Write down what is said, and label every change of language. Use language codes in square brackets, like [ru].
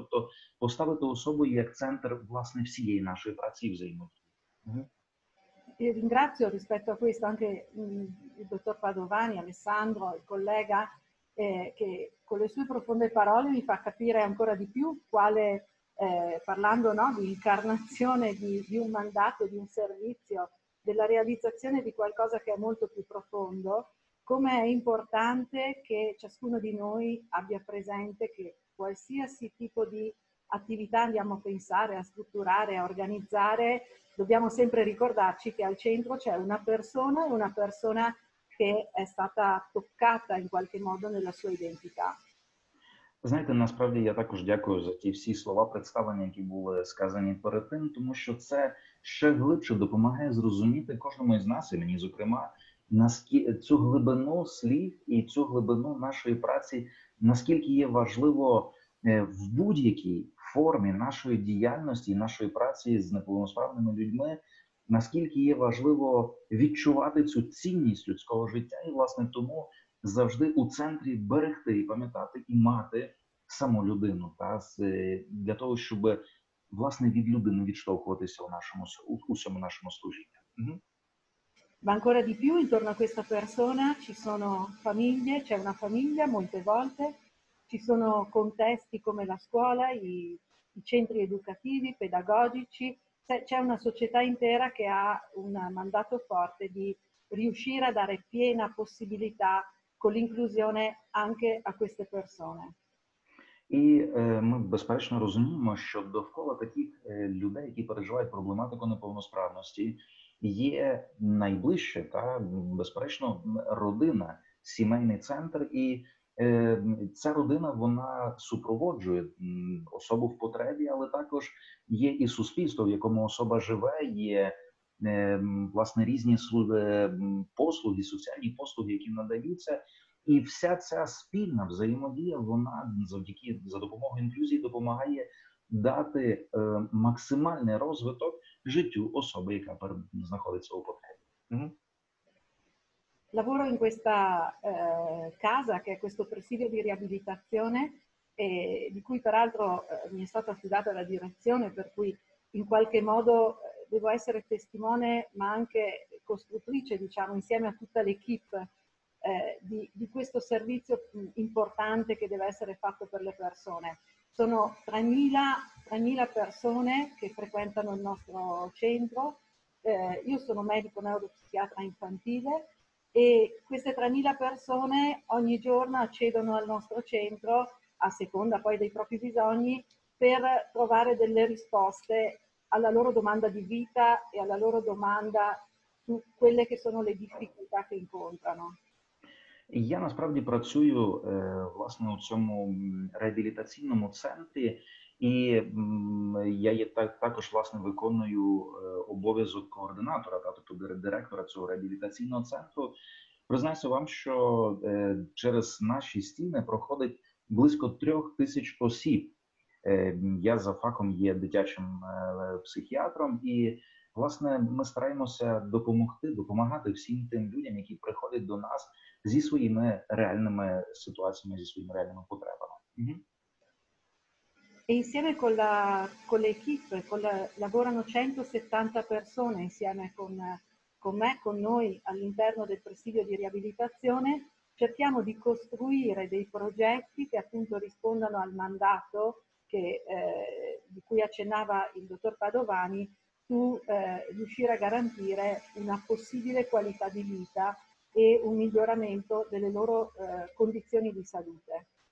[uk] Тобто поставити особу як центр, власне, всієї нашої праці і взаємодії. [it] E ringrazio rispetto a questo anche il dottor Padovani, Alessandro, il collega, che con le sue profonde parole mi fa capire ancora di più quale, parlando, no, di incarnazione di un mandato, di un servizio, della realizzazione di qualcosa che è molto più profondo, come è importante che ciascuno di noi abbia presente che qualsiasi tipo di attività andiamo a pensare, a strutturare, a organizzare, dobbiamo sempre ricordarci che al centro c'è una persona che è stata toccata in qualche modo nella sua identità. [uk] Знаєте, насправді я також дякую за ті всі слова представлення, які були сказані перед тим, тому що це ще глибше допомагає зрозуміти кожному із нас, і мені зокрема, цю глибину слів і цю глибину нашої праці, наскільки є важливо в будь-якій формі нашої діяльності, нашої праці з неповносправними людьми, наскільки є важливо відчувати цю цінність людського життя. І, власне, тому завжди у центрі берегти і пам'ятати і мати саму людину, та для того, щоб власне від людини відштовхуватися у всьому нашому служінні. Угу. [it] Ma ancora di più intorno a questa persona ci sono famiglie, c'è una famiglia molte volte, ci sono contesti come la scuola, i centri educativi, pedagogici, c'è una società intera che ha un mandato forte di riuscire a dare piena possibilità con l'inclusione anche a queste persone. [uk] І ми безперечно розуміємо, що довкола таких людей, які переживають проблематику неповносправності, є найближче, та безперечно, родина, сімейний центр, і ця родина, вона супроводжує особу в потребі, але також є і суспільство, в якому особа живе, є власне різні послуги, соціальні послуги, які надаються, і вся ця спільна взаємодія, вона за допомогою інклюзії допомагає дати максимальний розвиток життю особи, яка знаходиться у потребі. Угу. [it] Lavoro in questa casa, che è questo presidio di riabilitazione, e di cui peraltro mi è stata affidata la direzione, per cui in qualche modo devo essere testimone, ma anche costruttrice, diciamo, insieme a tutta l'equipe di questo servizio importante che deve essere fatto per le persone. Sono 3.000 persone che frequentano il nostro centro. Io sono medico neuropsichiatra infantile, e queste 3.000 persone ogni giorno accedono al nostro centro, a seconda poi dei propri bisogni, per trovare delle risposte alla loro domanda di vita e alla loro domanda su quelle che sono le difficoltà che incontrano. [uk] Я насправді працюю власне у цьому реабілітаційному центрі, і я є також власне виконую обов'язок координатора, тобто директора цього реабілітаційного центру. Признаюся вам, що через наші стіни проходить близько 3000 осіб. Я за фахом є дитячим психіатром, і власне ми стараємося допомагати всім тим людям, які приходять до нас зі своїми реальними ситуаціями, зі своїми реальними потребами. [it] E insieme con l'equipe, lavorano 170 persone insieme con me, con noi, all'interno del presidio di riabilitazione, cerchiamo di costruire dei progetti che appunto rispondano al mandato di cui accennava il dottor Padovani, riuscire a garantire una possibile qualità di vita e un miglioramento delle loro condizioni di salute.